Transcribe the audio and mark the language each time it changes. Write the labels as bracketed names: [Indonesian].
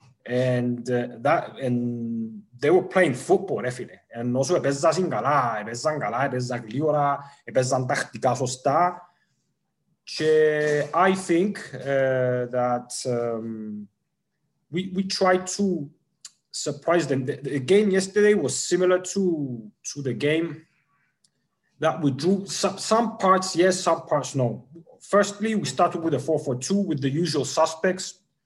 [English] And that, and they were playing football, [Greek] ρε φίλε. [English] And also, [Greek] έπαιζαν καλά, έπαιζαν καλά, έπαιζαν γλίωρα, έπαιζαν τακτικά σωστά. [English] Και I think that we tried to surprise them. The game yesterday was similar to the game that we drew. Some parts, yes, some parts, no. Firstly, we started with a 4-4-2 with the usual suspects.